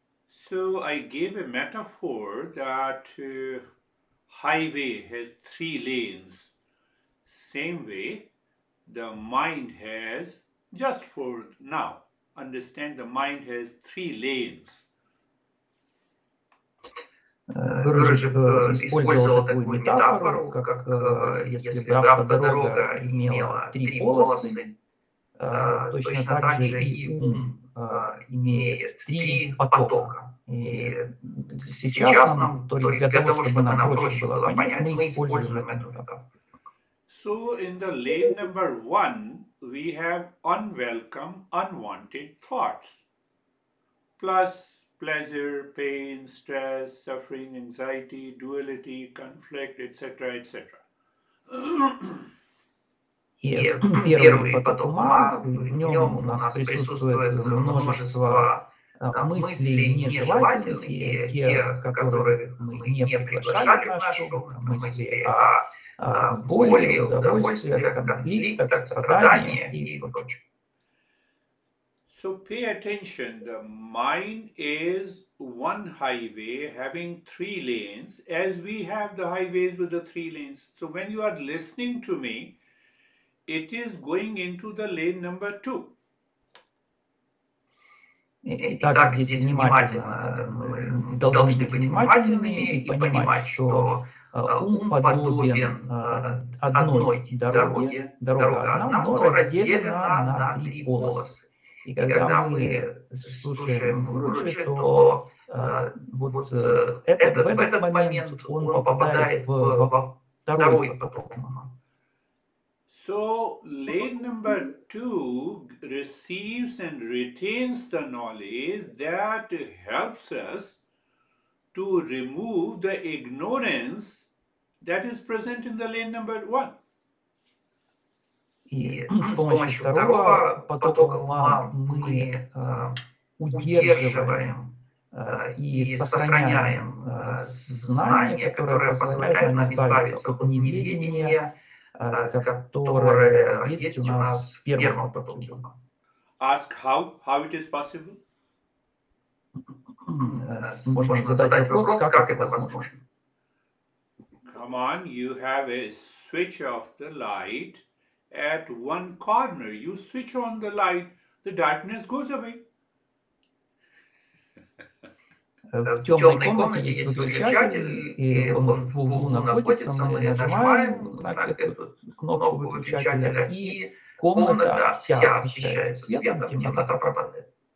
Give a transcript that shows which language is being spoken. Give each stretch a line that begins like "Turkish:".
English: So I gave a metaphor that highway has three lanes. Same way, the mind has, just for now, understand, the mind has three lanes.
Russian: Гуржи использовал такую метафору, как если бы автодорога имела три полосы, точно так же и ум имеет три потока. И сейчас нам только для того, чтобы нам проще было понять, мы используем эту метафору.
English: So in the lane number one, we have unwelcome, unwanted thoughts. Plus pleasure, pain, stress, suffering, anxiety, duality, conflict, etc., etc.
Russian: И первый поток ума, в нем у нас присутствует множество мыслей нежелательных, и тех, которых мы не приглашали в нашу мысли, а боли, удовольствия, конфликта, страдания и прочее.
English: So pay attention, the mind is one highway having three lanes, as we have the highways with the three lanes. So when you are listening to me, it is going into the lane number two.
Russian: Итак, здесь внимательно, мы должны быть внимательными и понимать, что ум подобен одной дороге, но разделена на три полосы. И когда мы слушаем Гуруджи, то в этот момент он попадает во второй поток.
English: So lane number two receives and retains the knowledge that helps us to remove the ignorance that is present in the lane number one.
Russian: И с помощью второго потока мы удерживаем и сохраняем знания, которые позволяют нам избавиться от неведения, которое есть у нас в первом потоке.
English: ask how it is possible?
Russian: Можна задати вопрос, як це можливо?
English: Come on, you have a switch of the light at one corner. You switch on the light, the darkness goes away.
Russian: В темной комнате есть выключатель, и он в углу находится, мы нажимаем на эту кнопку выключателя, и комната вся освещается светом, темнота пропадает.